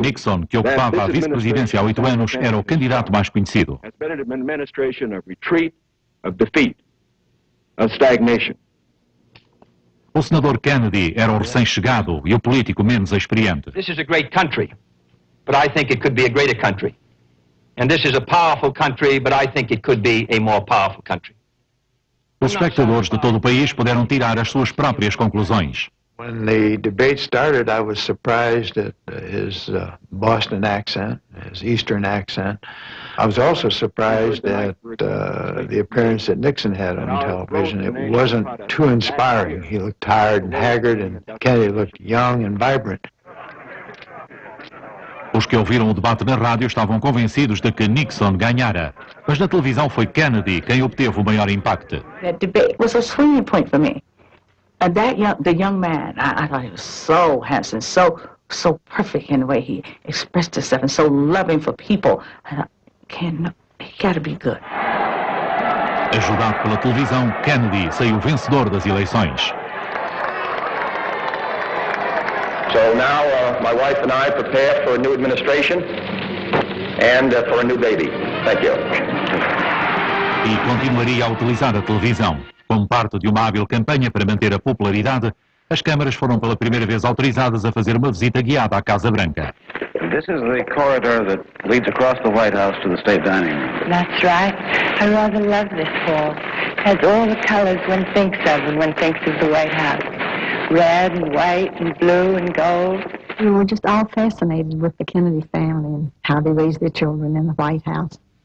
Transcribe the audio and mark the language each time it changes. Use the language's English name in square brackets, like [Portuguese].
[Portuguese] Nixon, que ocupava a vice-presidência há 8 anos, era o candidato mais conhecido. [English] Has been an administration of retreat, of defeat, of stagnation. [Portuguese] O senador Kennedy era o recém-chegado e o político menos experiente. [English] This is a great country, but I think it could be a greater country. And this is a powerful country, but I think it could be a more powerful country. [Portuguese] Os espectadores de todo o país puderam tirar as suas próprias conclusões. [English] When the debate started, I was surprised at his Boston accent, his Eastern accent. I was also surprised at the appearance that Nixon had on television. It wasn't too inspiring. He looked tired and haggard, and Kennedy looked young and vibrant. [Portuguese] Os que ouviram o debate na rádio estavam convencidos de que Nixon ganhara. Mas na televisão foi Kennedy quem obteve o maior impacto. [English] That debate was a swinging point for me. And that young, the young man, I thought he was so handsome, so perfect in the way he expressed himself, and so loving for people. He got to be good. [Portuguese] Ajudado pela televisão, Kennedy saiu vencedor das eleições. [English] So now my wife and I prepare for a new administration and for a new baby. Thank you. [Portuguese] E continuaria a utilizar a televisão. Como parte de uma hábil campanha para manter a popularidade, as câmaras foram pela primeira vez autorizadas a fazer uma visita guiada à Casa Branca. [English] This is the corridor that leads across the White House to the state dining room. That's right. I rather love this hall. It has all the colors one thinks of when one thinks of the White House. Red and white and blue and gold. We were just all fascinated with the Kennedy family and how they raised their children in the White House.